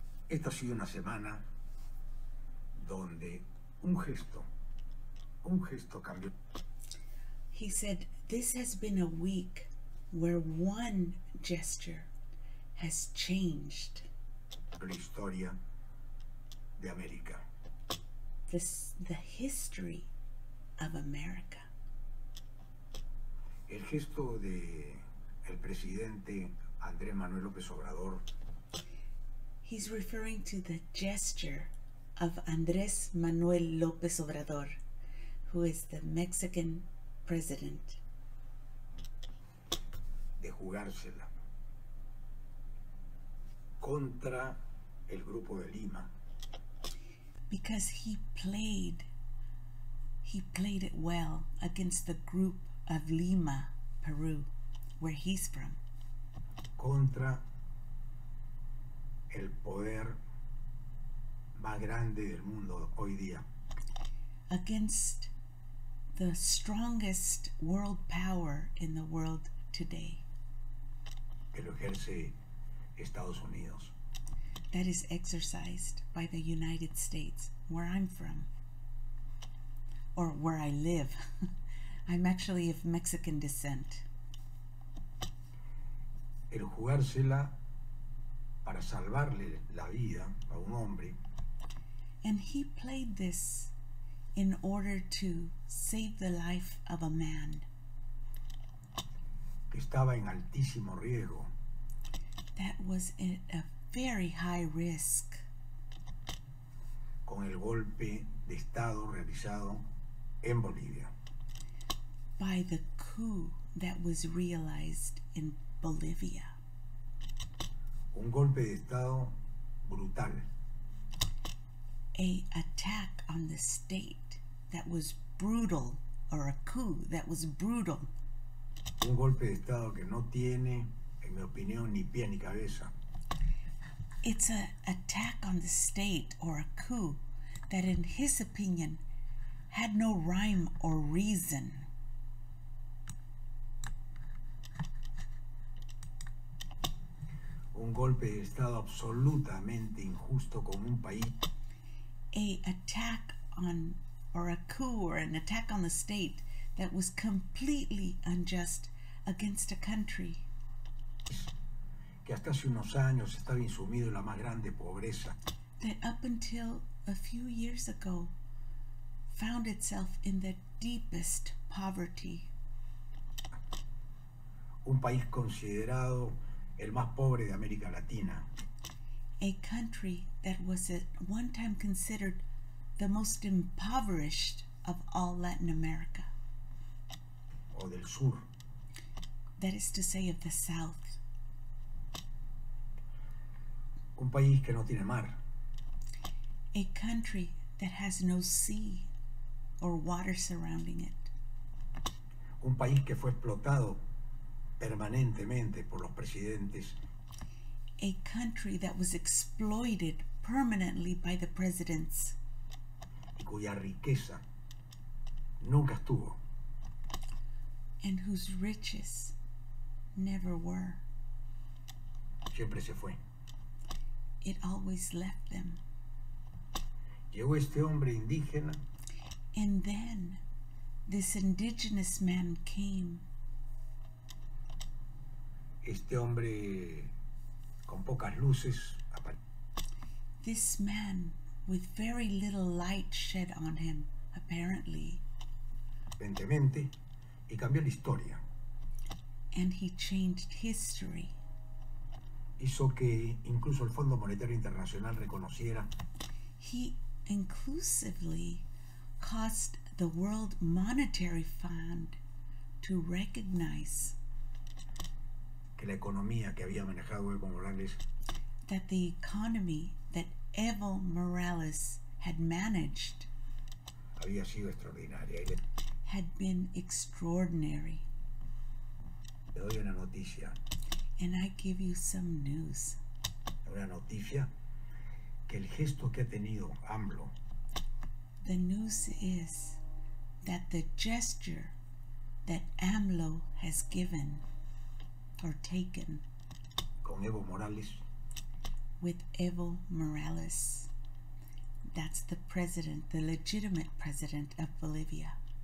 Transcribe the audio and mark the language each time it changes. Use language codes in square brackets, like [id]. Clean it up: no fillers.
[es] Esta ha sido una semana donde un gesto cambió. [en] He said This has been a week where one gesture has changed [es] la historia de América. [en] The history of America. [es] El gesto de el presidente Andrés Manuel López Obrador. [en] He's referring to the gesture of Andrés Manuel López Obrador, who is the Mexican president. [es] De jugársela contra el Grupo de Lima. [en] Because he played it well against the Group of Lima, Peru, where he's from. [es] Contra el poder más grande del mundo hoy día. [en] Against the strongest world power in the world today. [es] Que lo ejerce Estados Unidos. [en] That is exercised by the United States, where I'm from, or where I live. I'm actually of Mexican descent. [es] El jugársela para salvarle la vida a un hombre. [en] And he played this in order to save the life of a man. [es] Que estaba en altísimo riesgo. [en] That was a very high risk. [es] Con el golpe de estado realizado en Bolivia. [en] By the coup that was realized in Bolivia. [es] Un golpe de estado brutal. [en] A attack on the state that was brutal, or a coup that was brutal. [es] Un golpe de estado que no tiene, en mi opinión, ni pie ni cabeza. [en] It's an attack on the state, or a coup, that in his opinion had no rhyme or reason. [es] Un golpe de estado absolutamente injusto con un país. [en] A attack on, or a coup, or an attack on the state that was completely unjust against a country. [es] Que hasta hace unos años estaba insumido en la más grande pobreza. [en] That up until a few years ago found itself in the deepest poverty. [es] Un país considerado el más pobre de América Latina. [en] A country that was at one time considered the most impoverished of all Latin America. [es] O del sur. [en] That is to say, of the south. [es] Un país que no tiene mar. [en] A country that has no sea or water surrounding it. [es] Un país que fue explotado permanentemente por los presidentes. [en] A country that was exploited permanently by the presidents. [es] Y cuya riqueza nunca estuvo. [en] And whose riches never were. [es] Siempre se fue. [en] It always left them. [es] Llegó este hombre indígena. [en] And then this indigenous man came. [es] Este hombre con pocas luces. [en] This man with very little light shed on him, apparently. [es] Evidentemente, y cambió la historia. [en] And he changed history. [es] Hizo que incluso el Fondo Monetario Internacional reconociera. [en] He inclusively caused the World Monetary Fund to recognize [es] que la economía que había manejado Evo Morales, [en] that the economy that Evo Morales had managed, [es] había sido extraordinaria, [en] had been extraordinary. [es] Te doy una noticia. [en] And I give you some news. [es] Una noticia que el gesto que ha tenido AMLO, [en] the news is that the gesture that AMLO has given or taken [es] con Evo Morales, [en] with Evo Morales, that's the president, the legitimate president of Bolivia,